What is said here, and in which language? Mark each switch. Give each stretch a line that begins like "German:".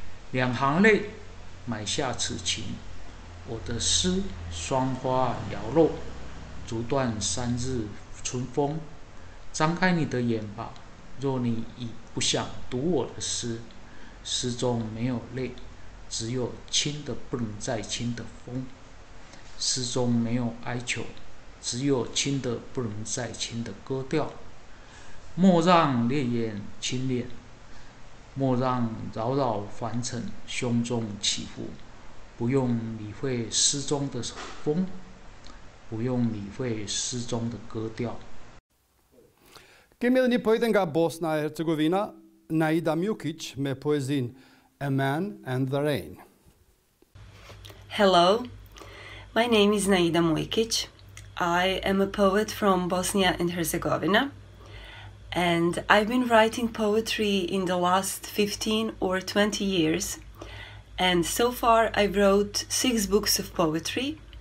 Chinese: 两行泪， 买下此情， 我的诗双花摇落， 竹断三日春风， 张开你的眼吧， 若你已不想读我的诗， 诗中没有泪， 只有轻的不能再轻的风， 诗中没有哀求， 只有轻的不能再轻的歌调， 莫让烈焰侵脸，莫让扰扰凡尘胸中起伏， 不用理会诗中的风， 不用理会诗中的歌调。
Albanian: Kemi edhe një poetë nga Bosna e Hercegovina, Naida Mjukic, me poezin A Man and the Rain.
English: Hello, my name is Naida Mjukic. I am a poet from Bosnia and Herzegovina, and I've been writing poetry in the last 15 or 20 years, and so far I wrote 6 books of poetry.